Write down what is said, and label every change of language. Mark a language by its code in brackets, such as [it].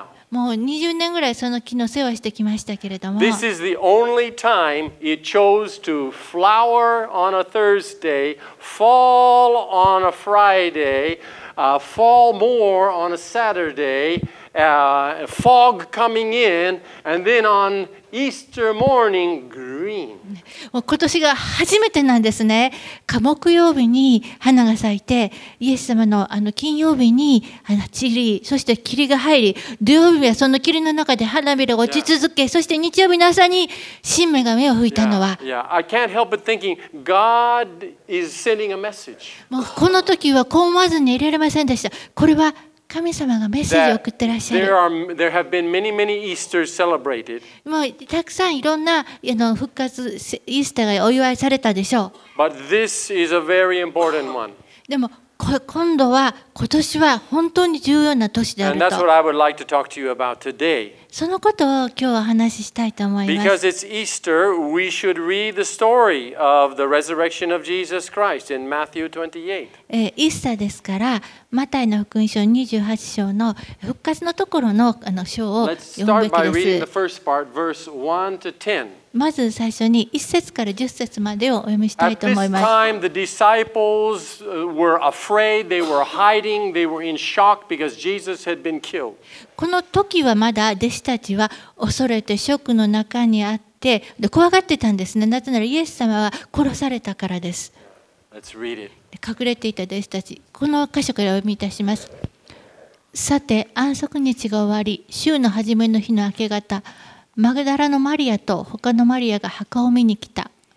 [ja] もう20年ぐらいその木の世話してきましたけれども。 [en] This is the only time it chose to flower on a Thursday, fall on a Friday, fall more on a Saturday, fog coming in, and then on Easter morning, green. [ja] 今年が初めてなんですね。火木曜日に花が咲いて、イエス様の金曜日に散り、そして霧が入り、土曜日はその霧の中で花びらが落ち続け、そして日曜日の朝に新芽が芽を吹いたのは。 [en] I can't help but thinking God is sending a message. [ja] もうこの時はこう思わずに入れられませんでした。これは神様がメッセージを送ってらっしゃる。 [en] There have been many, many Easter celebrated. [ja] もうたくさんいろんな復活イースターがお祝いされたでしょう。 [en] But this is a very important one. [ja] でも今度は今年は本当に重要な年であると。 [en] And that's what I would like to talk to you about today. [ja] そのことを今日お話ししたいと思います。 [en] Because it's Easter, we should read the story of the resurrection of Jesus Christ in Matthew 28. [ja] イースターですから、マタイの福音書28章の復活のところの章を読むべきです。 [en] Let's start by reading the first part, verse 1 to 10. [ja] まず最初に1節から10節までをお読みしたいと思います。 [en] At this time, the disciples were afraid. They were hiding. They were in shock because Jesus had been killed. [ja] この時はまだ弟子たちは恐れてショックの中にあって、で怖がってたんですね。なぜならイエス様は殺されたからです。 [en] Let's read it. [ja] 隠れていた弟子たち、この箇所からお読みいたします。さて、安息日が終わり、週の初めの日の明け方、マグダラのマリアと他のマリアが墓を見に来た。